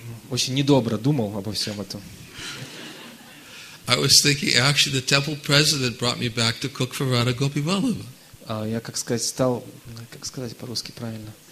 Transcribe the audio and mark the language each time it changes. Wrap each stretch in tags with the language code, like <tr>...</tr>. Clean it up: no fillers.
<ru>очень недобро думал обо всем этом.</ru> <en>I was thinking, actually, the temple president brought me back to cook for Radha Gopivallabha.</en> <ru>Я, как сказать, стал, как сказать по-русски правильно?</ru>